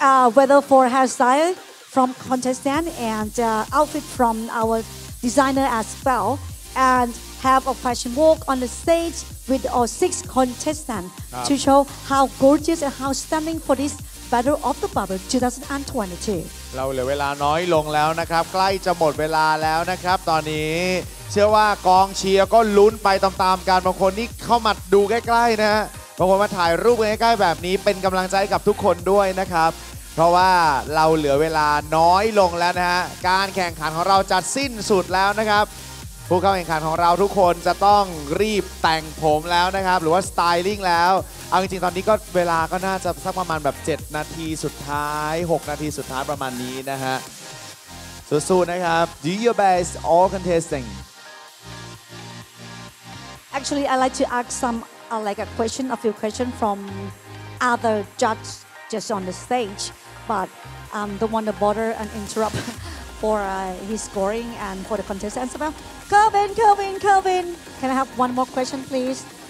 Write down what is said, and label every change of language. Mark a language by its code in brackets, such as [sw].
[en] Whether for hairstyle from contestant and outfit from our designer as well, and have a fashion walk on the stage with our six contestants to show how gorgeous and how stunning for this Battle of the Bubble 2022. [th] เราเหลือเวลาน้อยลงแล้วนะครับใกล้จะหมดเวลาแล้วนะครับตอนนี้เชื่อว่ากองเชียร์ก็ลุ้นไปตามๆกันบางคนนี่เข้ามาดูใกล้ๆนะฮะบางคนมาถ่ายรูปใกล้ๆแบบนี้เป็นกำลังใจกับทุกคนด้วยนะครับเพราะว่าเราเหลือเวลาน้อยลงแล้วนะฮะการแข่งขันของเราจะสิ้นสุดแล้วนะครับ ผู้เข้าแข่งขันของเราทุกคนจะต้องรีบแต่งผมแล้วนะครับหรือว่าสไตลิ่งแล้วเอาจริงๆตอนนี้ก็เวลาก็น่าจะสักประมาณแบบ7นาทีสุดท้าย6นาทีสุดท้ายประมาณนี้นะฮะสู้ๆนะครับ [en] Do your best all contesting Actually, I'd like to ask some, like a question, a few questions from other judges just on the stage, but don't want to bother and interrupt for his scoring and for the contest as well. Kevin, can I have one more question, please?